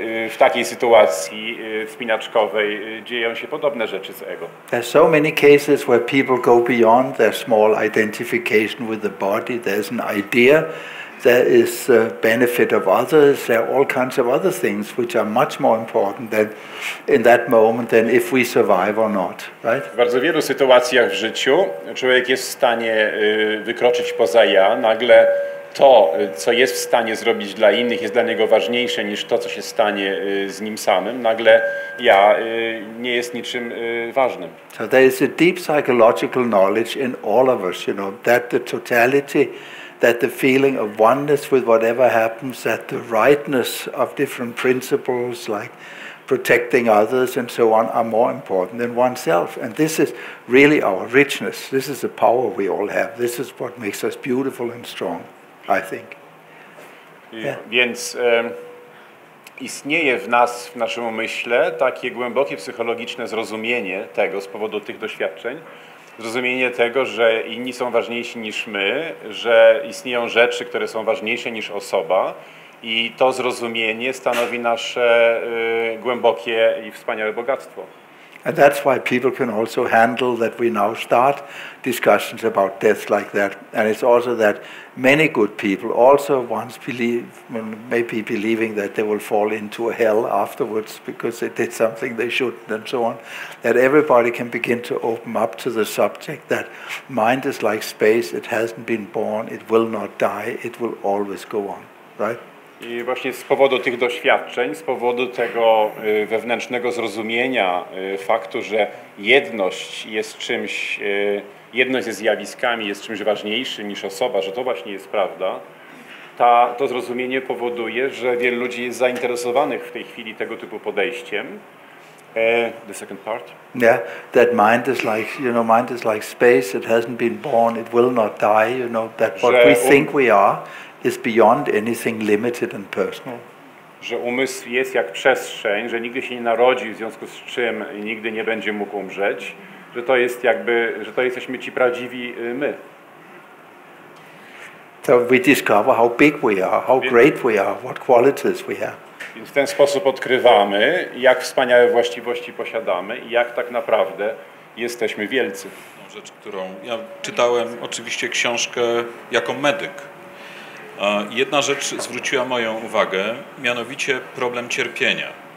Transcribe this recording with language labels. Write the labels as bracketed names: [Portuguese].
[Polish] W takiej sytuacji wspinaczkowej dzieją się podobne rzeczy z ego. [English] There's so many cases where people go beyond their small identification with the body. There's an idea, there is the benefit of others, there are all kinds of other things which are much more important than in that moment than if we survive or not, right? [Polish] W bardzo wielu sytuacjach w życiu człowiek jest w stanie wykroczyć poza ja, nagle to, co jest w stanie zrobić dla innych, jest dla niego ważniejsze niż to, co się stanie z nim samym. Nagle ja nie jest niczym ważnym. [English] So there is a deep psychological knowledge in all of us, you know, that the totality, that the feeling of oneness with whatever happens, that the rightness of different principles like protecting others and so on are more important than oneself. And this is really our richness. This is the power we all have. This is what makes us beautiful and strong, I think. Yeah. [Polish] Więc istnieje w nas, w naszym umyśle, takie głębokie psychologiczne zrozumienie tego z powodu tych doświadczeń, zrozumienie tego, że inni są ważniejsi niż my, że istnieją rzeczy, które są ważniejsze niż osoba, i to zrozumienie stanowi nasze głębokie i wspaniałe bogactwo. [English] And that's why people can also handle that we now start discussions about death like that. And it's also that many good people also once believe, maybe believing that they will fall into a hell afterwards because they did something they shouldn't and so on, that everybody can begin to open up to the subject that mind is like space, it hasn't been born, it will not die, it will always go on, right? [Polish] I właśnie z powodu tych doświadczeń, z powodu tego wewnętrznego zrozumienia faktu, że jedność jest czymś, jedność ze zjawiskami jest czymś ważniejszym niż osoba, że to właśnie jest prawda, to zrozumienie powoduje, że wielu ludzi jest zainteresowanych w tej chwili tego typu podejściem. [English] The second part. Yeah, that mind is like, you know, mind is like space. It hasn't been born. It will not die. You know that what we think we are is beyond anything limited and personal. [Polish] Że umysł jest jak przestrzeń, że nigdy się nie narodzi, w związku z czym nigdy nie będzie mógł umrzeć, że to jest jakby, że to jesteśmy ci prawdziwi my. [English] So we discover how big we are, how great we are, what qualities we have. [Polish] Więc w ten sposób odkrywamy, jak wspaniałe właściwości posiadamy i jak tak naprawdę jesteśmy wielcy. Rzecz, którą ja czytałem oczywiście książkę jako medyk. Jedna rzecz zwróciła moją uwagę, mianowicie problem cierpienia.